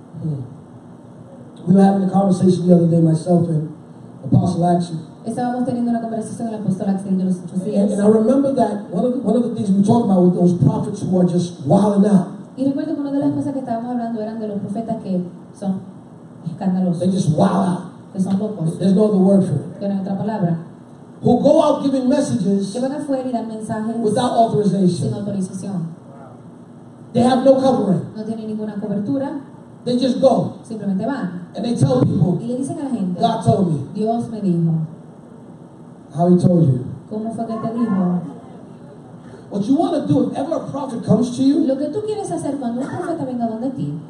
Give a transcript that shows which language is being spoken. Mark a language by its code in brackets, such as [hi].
[en] We were having a conversation the other day, myself and Apostle Action. [es] Estábamos teniendo una conversación con el Apóstol Action de los otros días. [en] And I remember that one of the things we talked about with those prophets who are just wilding out. [es] Y recuerdo que una de las cosas que estábamos hablando eran de los profetas que son. [en] They just wow out. [es] Que son locos. [en] There's no other word for it. [es] Que no hay otra palabra. [en] Who go out giving messages [es] que van afuera y dan mensajes [en] without authorization. [es] Sin autorización. [en] They have no covering. [es] No tienen ninguna cobertura. [en] They just go. [es] Simplemente van. [en] And they tell people. [es] Y le dicen a la gente, [en] God told me. [es] Dios me dijo. [en] How he told you. [es] ¿Cómo fue que te dijo? [en] What you want to do if ever a prophet comes to you [es] lo que tú quieres hacer cuando un profeta venga donde ti,